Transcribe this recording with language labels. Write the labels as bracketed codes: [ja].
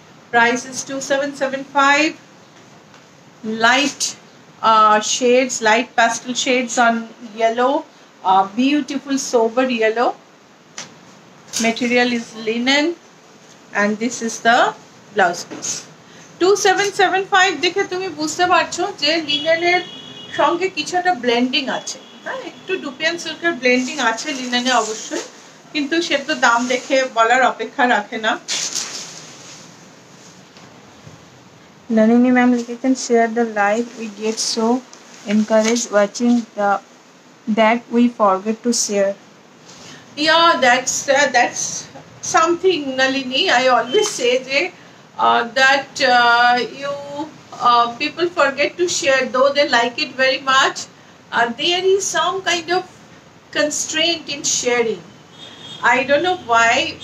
[en] Price is 2775. Light shades, light pastel shades on yellow, beautiful sober yellow. Material is linen, and this is the blouse piece. [bn] 2775 দেখে তুমি বুঝতে পারছো যে লিনেনের সঙ্গে কিছু একটা ব্লেন্ডিং আছে, হ্যাঁ একটু ডুপিয়ান সিল্কের ব্লেন্ডিং আছে লিনেনে অবশ্যই, কিন্তু সে তো দাম দেখে বলার অপেক্ষা রাখে না। [en] নানিনি [bn] ম্যাম লিখেছেন, [en] Share the life, we get so encourage watching that we forget to share. Yeah that's something Nalini, I always say যে that you people forget to share, though they like it very much, there is some kind of constraint in sharing. I don't know why.